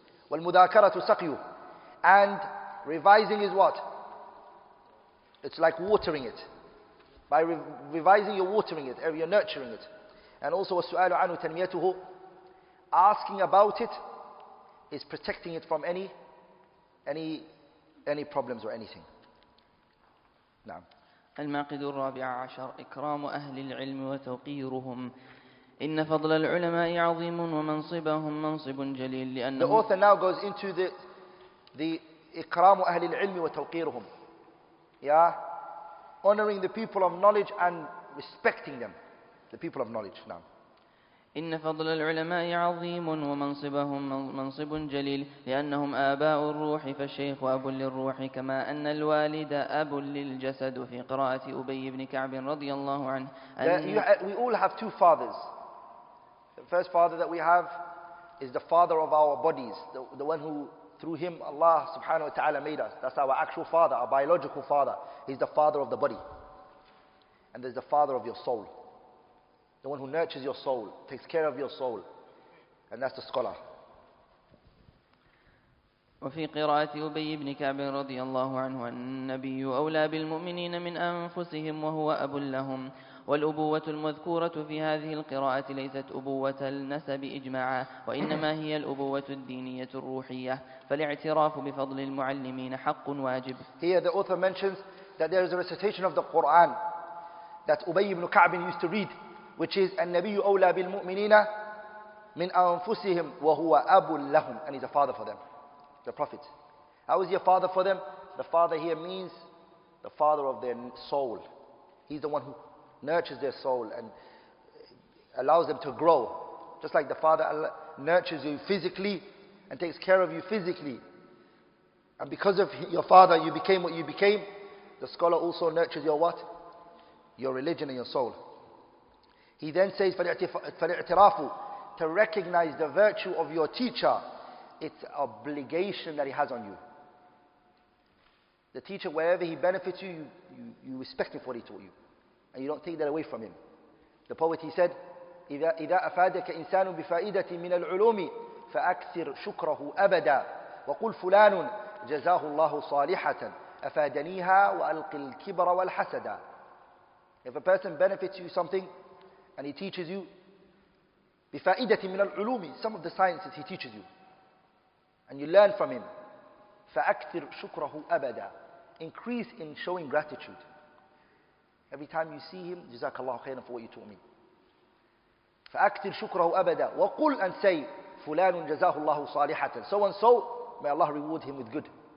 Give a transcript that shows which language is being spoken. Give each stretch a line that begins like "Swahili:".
Arabic: Wal-Mudhakaratu Saqyu.
English: And revising is what? It's like watering it. By revising, you're watering it, you're nurturing it. And also,
Arabic: Was-Su'alu Anhu Tanmiyatuhu.
English: Asking about it is protecting it from any problems or anything.
Arabic: نعم. المعقد الرابع عشر إكرام أهل العلم وتوقيرهم. إن فضل العلماء عظيم ومنصبهم منصب جليل لأن.
English: The author now goes into the
Arabic: إكرام أهل العلم وتوقيرهم.
English: Yeah, honoring the people of knowledge and respecting them, the people of knowledge.
Arabic: نعم. إن فضل العلماء عظيم ومنصبهم منصب جليل لأنهم آباء الروح فالشيخ أب للروح كما أن الوالد أب للجسد في قراءة أبي بن كعب رضي الله عنه.
English: We all have two fathers. The first father that we have is the father of our bodies, the one who through him Allah subhanahu wa ta'ala made us. That's our actual father, our biological father. He's the father of the body. And there's the father of your soul. The one who nurtures your soul, takes care of your soul, and that's the scholar.
Arabic: وفي قراءة أبي بن كعب رضي الله عنه النبي أولى بالمؤمنين من أنفسهم وهو أب لهم والأبوة المذكورة في هذه القراءة ليست أبوة النسب إجماعا وإنما هي الأبوة الدينية الروحية فالاعتراف بفضل المعلمين حق واجب.
English: Here the author mentions that there is a recitation of the Quran that Ubay ibn Ka'b used to read, which is
Arabic: النبي أولى بالمؤمنين من أنفسهم وهو أب لهم,
English: and he's a father for them, the prophet. How is he a father for them? The father here means the father of their soul. He's the one who nurtures their soul and allows them to grow. Just like the father nurtures you physically and takes care of you physically, and because of your father you became what you became, the scholar also nurtures your what? Your religion and your soul. He then says, فَلِاعْتِرَافُ, to recognize the virtue of your teacher, it's obligation that he has on you. The teacher, wherever he benefits you, you respect him for what he taught you. And you don't take that away from him. The poet, he said,
Arabic: إِذَا أَفَادَكَ إِنسَانٌ بِفَائِدَةٍ مِنَ الْعُلُومِ فَأَكْثِرْ شُكْرَهُ أَبَدًا وَقُلْ فُلَانٌ جَزَاهُ اللَّهُ صَالِحَةً أَفَادَنِيهَا وَأَلْقِ الْكِبْرَ وَالْحَسَدَ.
English: If a person benefits you something, and he teaches you,
Arabic: بِفَائِدَةٍ مِنَ الْعُلُومِ,
English: some of the sciences he teaches you, and you learn from him,
Arabic: فَأَكْثِرْ شُكْرَهُ أَبَدًا,
English: increase in showing gratitude. Every time you see him,
Arabic: جزاك الله خيرا
English: for what you taught me.
Arabic: فَأَكْثِرْ شُكْرَهُ أَبَدًا وَقُلْ
English: and say,
Arabic: فُلَانٌ جَزَاهُ اللَّهُ صَالِحَةً,
English: so and so, may Allah reward him with good.